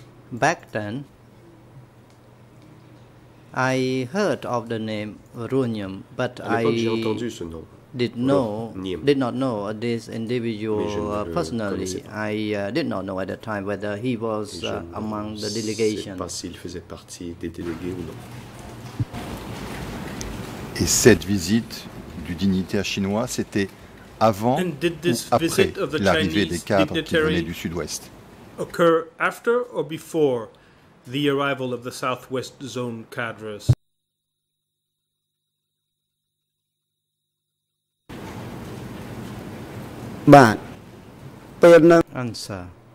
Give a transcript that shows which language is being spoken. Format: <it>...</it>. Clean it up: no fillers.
<en>Back then, I heard of the name Runyam, but I did not know this individual personally. I did not know at the time whether he was among the delegation.</en> <fr>Et cette visite du dignitaire chinois, c'était avant ou après l'arrivée des cadres qui venaient du sud-ouest?</fr> <en>Occur after or before the arrival of the Southwest Zone cadres? Answer.</en>